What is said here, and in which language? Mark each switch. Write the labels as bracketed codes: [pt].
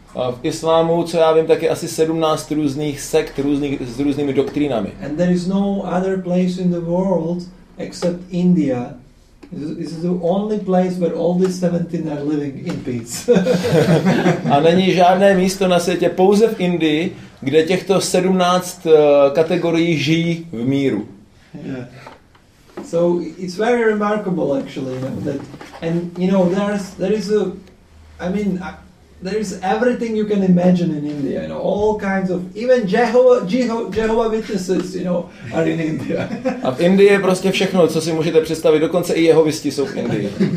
[cs] A v islámu, co já vím, tak je asi 17 různých sekt s různými doktrínami. [en] And there is no other place in the world except India. This is the only place where all these 17 are living in peace. [cs] A není žádné místo na světě, pouze v Indii, kde těchto 17 kategorií žijí v míru. [en] Yeah. So it's very remarkable actually, you know, that and you know there is everything you can imagine in India, you know, all kinds of even Jehovah Witnesses, you know, are in India. [cs] A v Indii je prostě všechno, co si můžete představit, dokonce i jehovisti jsou v Indii.